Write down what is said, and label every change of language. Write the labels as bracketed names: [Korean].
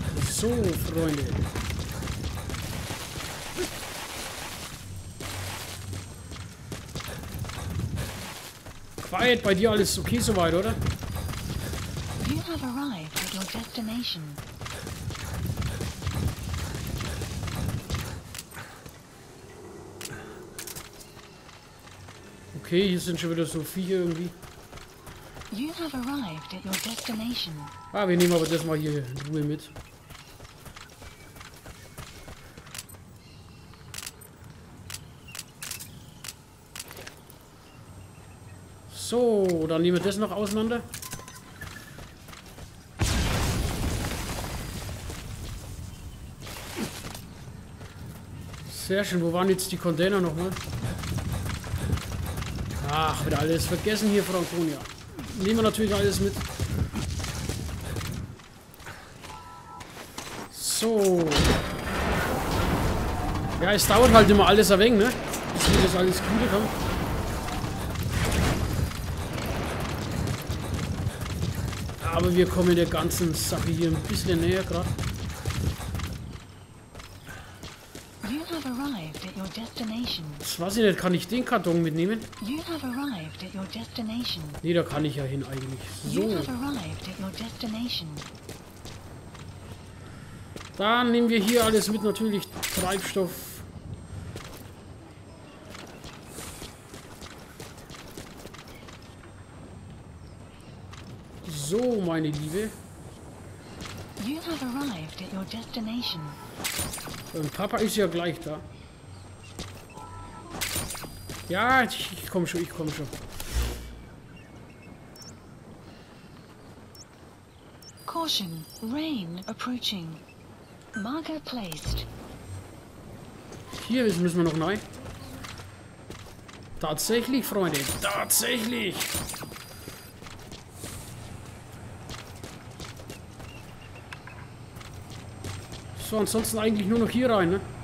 [German] So, Freunde. Quiet, bei dir alles okay soweit, oder? [English] You have arrived at your destination. [German] Okay, hier sind schon wieder so Viecher irgendwie. [English] You have arrived at your destination. [German] Ah, wir nehmen aber das mal hier in Ruhe mit. So, dann nehmen wir das noch auseinander. Sehr schön, wo waren jetzt die Container nochmal? Ach, wieder alles vergessen hier, Franconia. Nehmen wir natürlich alles mit. So. Ja, es dauert halt immer alles ein wenig, ne? Bis wir das alles gut haben. Aber wir kommen der ganzen Sache hier ein bisschen näher gerade. [English] You have arrived at your destination. [German] Das weiß ich nicht, kann ich den Karton mitnehmen? [English] You have arrived at your destination. [German] Nee, da kann ich ja hin eigentlich. So. [English] You have arrived at your destination. [German] Dann nehmen wir hier alles mit, natürlich Treibstoff. So, meine Liebe. [English] You have arrived at your destination. [German] Und Papa ist ja gleich da. Ja, ich komme schon, ich komme schon. [English] Caution, rain approaching. Marker placed. [German] Hier müssen wir noch neu. Tatsächlich, Freunde, tatsächlich. zwar ansonsten eigentlich nur noch hier rein, ne?